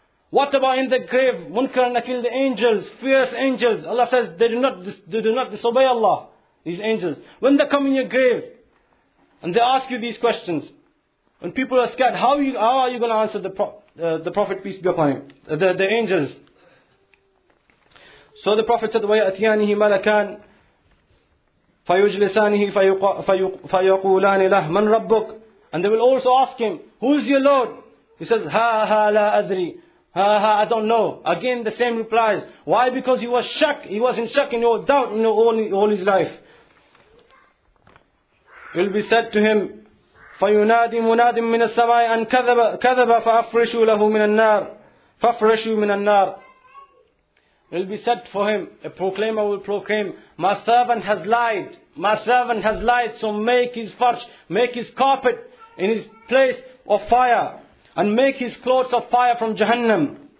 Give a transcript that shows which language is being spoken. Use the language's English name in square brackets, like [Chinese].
[English] What about in the grave, Munkar and Nakir, the angels, fierce angels? Allah says they do not disobey Allah, these angels. When they come in your grave and they ask you these questions, when people are scared, how are you going to answer the Prophet, peace be upon him, the angels? So the Prophet said, [Arabic] وَيَأْتِيَانِهِ مَلَكَانِ فَيُجْلِسَانِهِ فَيُقُولَانِ لَهِ مَنْ رَبُّكُ. [English] And they will also ask him, who is your Lord? He says, [Arabic] ha ha la adri, [English] ha ha, I don't know. Again the same replies. Why? Because he was in shak in your doubt in all his life. It will be said to him, [Arabic] فَيُنَادِي مُنَادٍ مِّنَ السَّمَاءِ أَنْ كَذَبَ فَأَفْرِشُوا لَهُ مِنَ النَّارِ فَأَفْرِشُوا مِنَ النَّارِ. [English] It will be said for him, a proclaimer will proclaim, my servant has lied, so make his farsh, make his carpet in his place of fire, and make his clothes of fire from Jahannam.